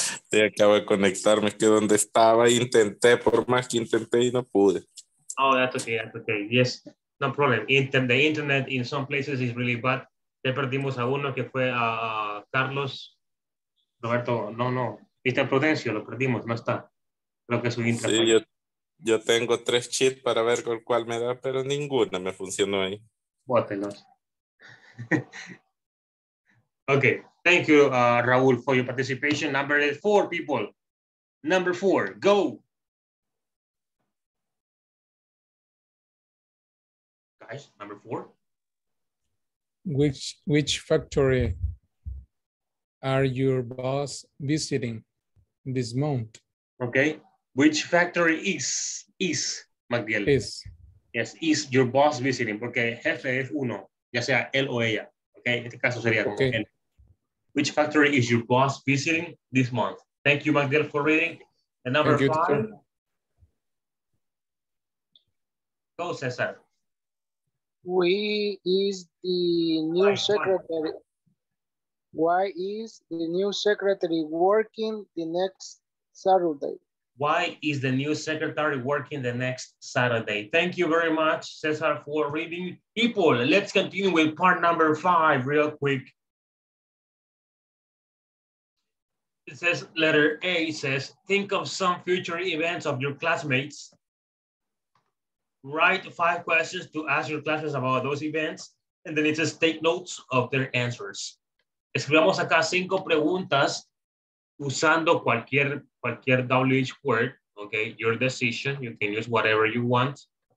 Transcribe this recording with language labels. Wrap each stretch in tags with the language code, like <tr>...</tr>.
<es>Sí, acabo de conectarme, es que donde estaba, intenté, por más que intenté y no pude.</es> <en>Oh, that's ok, yes, no problem. The internet in some places is really bad.</en> <es>Ya perdimos a uno que fue a Carlos. Roberto, no. Viste a Prudencio, lo perdimos, no está. Creo que es un intro. Sí, yo tengo tres cheats para ver con cuál me da, pero ninguna me funcionó ahí. Bótelos.</es> <en>Okay, thank you, Raúl, for your participation. Number four, people. Number four, go. Guys, number four. Which factory are your boss visiting this month? Okay, which factory is Magdiel? Is. Yes, is your boss visiting?</en> <es>Porque jefe es uno, ya sea él o ella. Okay, en este caso sería como okay. Él.</es> <en>Which factory is your boss visiting this month? Thank you, Magdiel, for reading. And number five. Go, Cesar. Who is the new secretary? Why is the new secretary working the next Saturday? Why is the new secretary working the next Saturday? Thank you very much, Cesar, for reading. People, let's continue with part number five real quick. It says, letter A says, think of some future events of your classmates. Write five questions to ask your classmates about those events. And then it says, take notes of their answers.</en> <es>Escribamos acá cinco preguntas usando cualquier WH word, okay?</es> <en>Your decision, you can use whatever you want.</en>